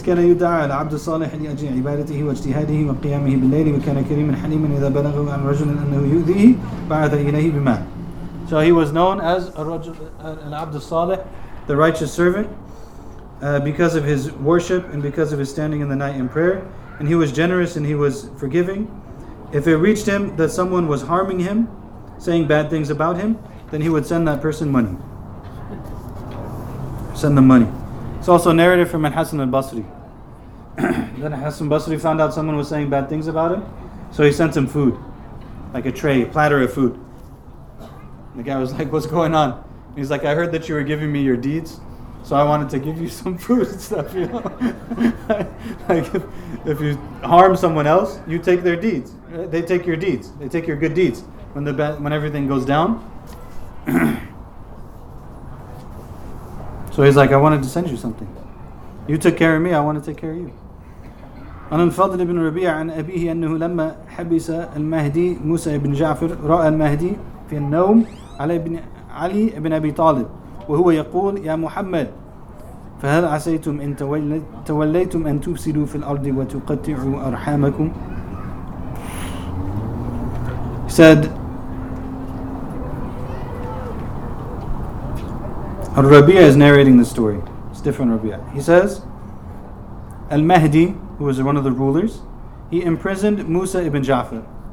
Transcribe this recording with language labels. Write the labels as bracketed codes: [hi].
[ar] كان يدعى العبد الصالح لأجل عبادته واجتهاده وقيامه بالليل وكان كريما حليما إذا بلغه عن رجل أنه يؤذيه بعث إليه بمال. [en] So he was known as al-Abd al-Salih, the righteous servant, because of his worship and because of his standing in the night in prayer, and he was generous and he was forgiving. If it reached him that someone was harming him, saying bad things about him, then he would send that person money. Send them money. It's also a narrative from al-Hasan al-Basri. Then al-Hasan al-Basri found out someone was saying bad things about him, so he sent him food, like a tray, a platter of food. The guy was like, what's going on? And he's like, I heard that you were giving me your deeds, so I wanted to give you some food and stuff, you know? Like, if you harm someone else, you take their deeds. They take your deeds. They take your good deeds. When everything goes down. So he's like, I wanted to send you something. You took care of me, I want to take care of you. [ar] عن الفضل بن ربيع عن أبيه أنه لما حبس المهدي موسى بن جعفر رأى المهدي في النوم علي بن أبي طالب وهو يقول يا محمد فهل عسيتم إن توليتم أن تفسدوا في الأرض وتقطعوا أرحامكم. [en] He said al-Rabi'ah is narrating the story. It's different Rabi'ah. He says al-Mahdi, who was one of the rulers, he imprisoned Musa ibn Jafar.